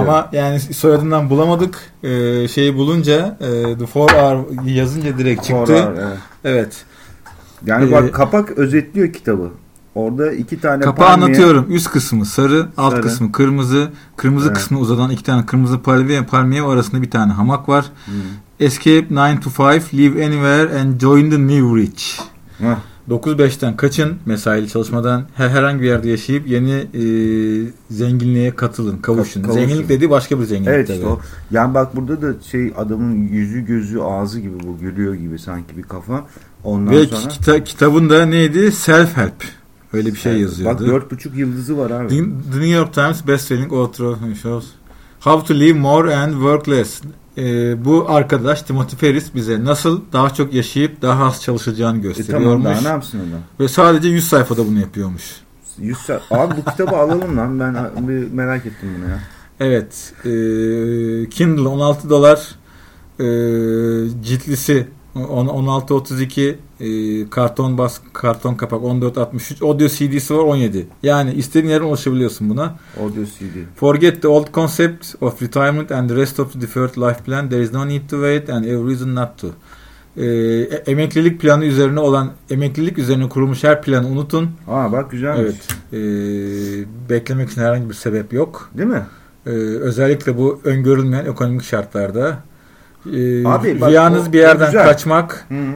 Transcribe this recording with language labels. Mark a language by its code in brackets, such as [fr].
[tr] Ama yani soyadından bulamadık. Şeyi bulunca The Four Hour yazınca direkt çıktı. Four Hour, evet. Yani bak, kapak özetliyor kitabı. Orada iki tane palmiye. Kapağı anlatıyorum. Üst kısmı sarı, alt kısmı kırmızı. Kırmızı evet. kısmı uzadan iki tane kırmızı palmiye arasında bir tane hamak var. Hmm. [en] Escape 9 to 5, leave anywhere and join the new rich. Heh. [tr] 9-5'ten kaçın, mesaili çalışmadan herhangi bir yerde yaşayıp yeni zenginliğe katılın, kavuşun. Zenginlik dediği başka bir zenginlik. Evet, işte o. Yani bak, burada da şey, adamın yüzü gözü ağzı gibi, bu gülüyor gibi sanki bir kafa. Ondan ve sonra kitabın da neydi? Self Help. Öyle bir şey yazıyordu. Bak 4.5 yıldızı var abi. [en] The New York Times best-selling author of shows. How to live more and work less. [tr] Bu arkadaş Timothy Ferris bize nasıl daha çok yaşayıp daha az çalışacağını gösteriyormuş. Tamam, daha ne yapsın ona? Ve sadece 100 sayfada bunu yapıyormuş. 100 saat. Abi bu kitabı alalım lan. Ben bir merak ettim bunu ya. Evet. Kindle $16 ciltlisi 16-32 karton bas karton kapak 14-63 audio CD'si var 17. Yani istediğin yerden ulaşabiliyorsun buna. [en] Audio CD. Forget the old concept of retirement and the rest of the deferred life plan. There is no need to wait and every reason not to. [tr] Emeklilik planı üzerine olan emeklilik üzerine kurulmuş her planı unutun. Aa bak güzelmiş. Evet. Beklemek için herhangi bir sebep yok. Değil mi? Özellikle bu öngörülmeyen ekonomik şartlarda. Abi, rüyanız bak, bir yerden kaçmak. Hı-hı.